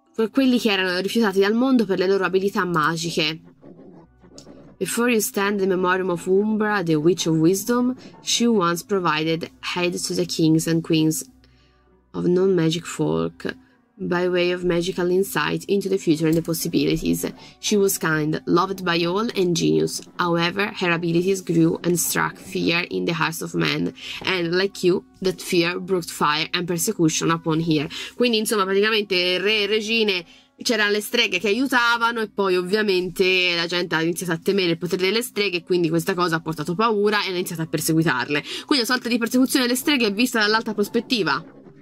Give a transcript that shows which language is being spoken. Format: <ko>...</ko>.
<it>Quelli che erano rifiutati dal mondo per le loro abilità magiche.</it> <en>Before you stand the memoriam of Umbra, the Witch of Wisdom, she once provided aid to the kings and queens of non-magic folk. by way of magical insight into the future and the possibilities. She was kind, loved by all, and genius. However, her abilities grew and struck fear in the hearts of men, and, like you, that fear brought fire and persecution upon her.</en> <it>Quindi, insomma, praticamente re e regine c'erano le streghe che aiutavano, e poi ovviamente la gente ha iniziato a temere il potere delle streghe, e quindi questa cosa ha portato paura e ha iniziato a perseguitarle. Quindi una sorta di persecuzione delle streghe è vista dall'alta prospettiva.</it>